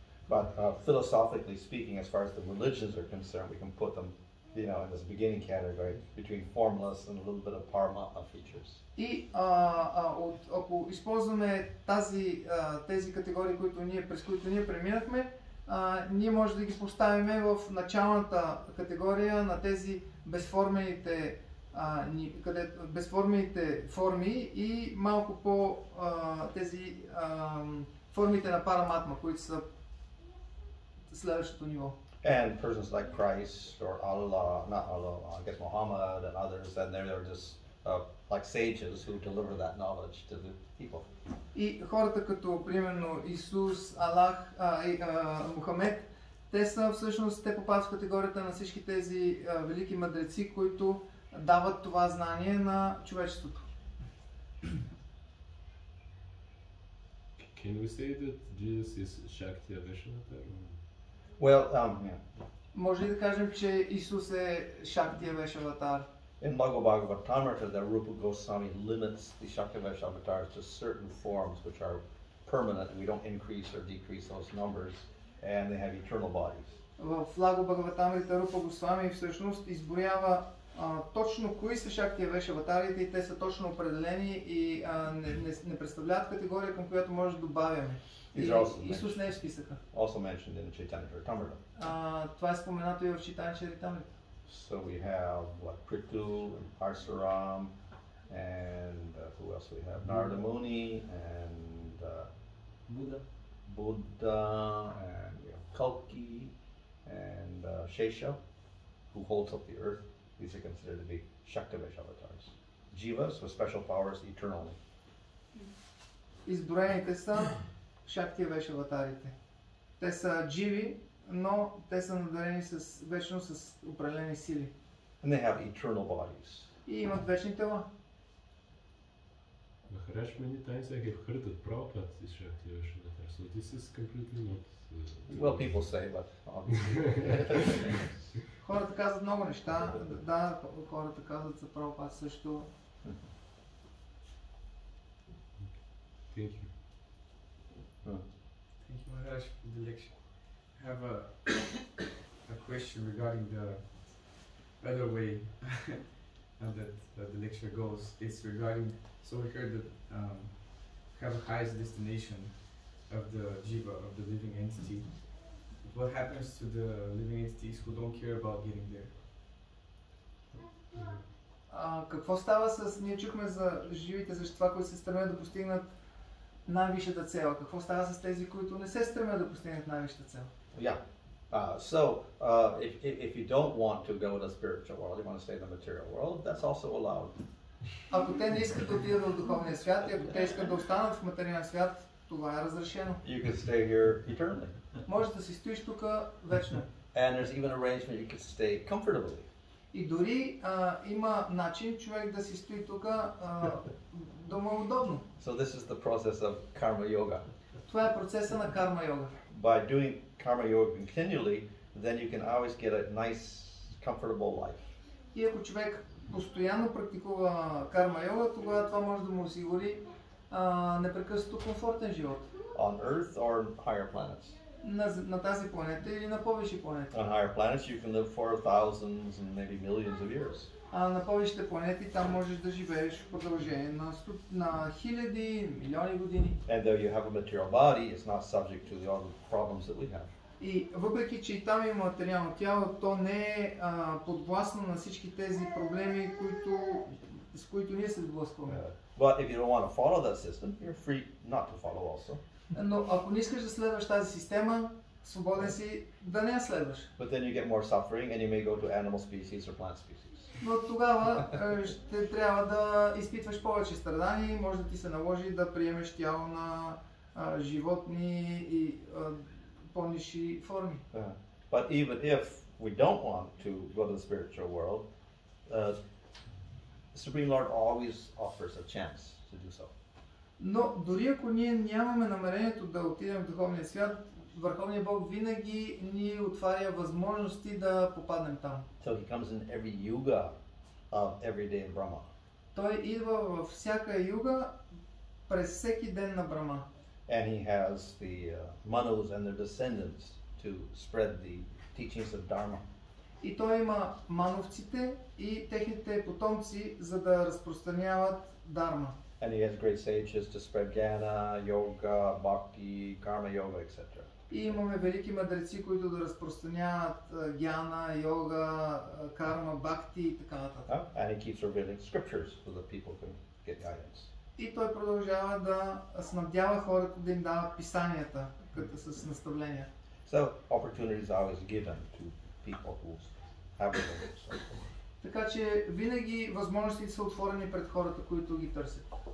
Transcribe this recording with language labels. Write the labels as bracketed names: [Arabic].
[English] But philosophically speaking, as far as the religions are concerned, we can put them, you know, in this beginning category between formless and a little bit of parma of features. [Bulgarian] И ако използваме тази тези категории, които ние през които ние преминахме, ние може да ги поставим в началната категория на тези безформените къде безформените форми и малко по тези формите на параматма, които са следващото ниво. [English] And persons like Christ or Allah, not Allah, I guess Muhammad and others, and they're just like sages who deliver that knowledge to the people. [Bulgarian] И хората като примерно Исус, Аллах и Мухамед, те са всъщност, те попадат в категорията на всички тези велики мъдреци, които дават това знание на човечеството. [English] Can we say that Jesus is Shakti Aveshanata? Well, yeah. [Bulgarian] Може ли да кажем, че Исус е Шакти Авешаватар? [English] In Bhagavad Bhagavatamrita, that Rupa Goswami limits the Shakti Aveshavatars to certain forms which are permanent. We don't increase or decrease those numbers, and they have eternal bodies. [Bulgarian] В Лаго Бхагаватамрита Рупа Госвами всъщност изброява точно кои са Шакти Авешаватарите и те са точно определени и не представляват категория, към която може да добавяме. Исус не е в списъка. [English] Also mentioned in Chaitanya Charitamrita. [Bulgarian] Това е споменато и в Chaitanya Charitamrita. [English] So we have what, Prithu and Parsaram and who else we have? Narada Muni and Buddha and Kalki and Shesha. who holds up the earth, these are considered to be Shaktivesh avatars. Jivas with special powers eternally. [Bulgarian] Изброените са Шакти Веш аватарите. Те са живи, но те са надарени с вечно с определени сили. [English] And they have eternal bodies. [Bulgarian] И имат вечни тела. Махараш мени тайн сега е вхъртът правопад с Шакти Веш аватар. [English] So this is completely not... Well, people say, but obviously... [Bulgarian] Хората казват много неща. Да, хората казват за правопад също. [English] Thank you. Thank you, Maharaj, for the lecture. I have a question regarding the other way that the lecture goes. It's regarding, so we heard that have a highest destination of the jiva, of the living entity. What happens to the living entities who don't care about getting there? [Bulgarian] Какво става с... Ние чухме за живите, за това, които се стремят да постигнат най-висшата цел. Какво става с тези, които не се стремят да постигнат най-висшата цел? [English] Yeah. So if you don't want to go to the spiritual world, you want to stay in the material world, that's also allowed. [Bulgarian] Ако те не искат да отидат в духовния свят, и ако те искат да останат в материален свят, това е разрешено. [English] You can stay here eternally. [Bulgarian] Може да си стоиш тук вечно. [English] And there's even arrangement you can stay comfortably. [Bulgarian] И дори има начин човек да си стои тук дома удобно. [English] So this is the process of karma yoga. [Bulgarian] Това е процеса на карма йога. [English] By doing karma yoga continually, then you can always get a nice, comfortable life. [Bulgarian] И ако човек постоянно практикува карма йога, тогава това може да му осигури непрекъснато комфортен живот. [English] On Earth or higher planets? [Bulgarian] На тази планета или на повече планети. [English] On higher planets you can live for thousands and maybe millions of years. [Bulgarian] А на повечето планети там можеш да живееш в продължение на хиляди, милиони години. [English] And though you have a material body, it's not subject to all the problems that we have. [Bulgarian] И въпреки че и там има материално тяло, то не е подвластно на всички тези проблеми, с които ние се сблъскваме. [English] But if you don't want to follow that system, you're free not to follow also. [Bulgarian] Но ако не искаш да следваш тази система, свободен си да не я следваш. [English] But then you get more suffering and you may go to animal species or plant species. [Bulgarian] Но тогава ще трябва да изпитваш повече страдания и може да ти се наложи да приемеш тяло на животни и по-ниши форми. [English] But even if we don't want to go to the spiritual world, the Supreme Lord always offers a chance to do so. [Bulgarian] Но дори ако ние нямаме намерението да отидем в духовния свят, Върховният Бог винаги ни отваря възможности да попаднем там. [English] So he comes in every yuga of every day in Brahma. [Bulgarian] Той идва във всяка юга през всеки ден на Брама. [English] And he has the manus and their descendants to spread the teachings of Dharma. [Bulgarian] И той има мановците и техните потомци, за да разпространяват Дарма. [English] And he has great sages to spread jnana, yoga, bhakti, karma yoga, etc. [Bulgarian] И имаме велики мъдреци, които да разпространяват джана, йога, карма, бхакти и така нататък. [English] And he keeps revealing scriptures so that people can get guidance. [Bulgarian] И той продължава да снабдява хората, да им дава писанията, като с наставления. [English] So opportunities are always given to people who have the gifts. [Bulgarian] Така че винаги възможностите са отворени пред хората, които ги търсят.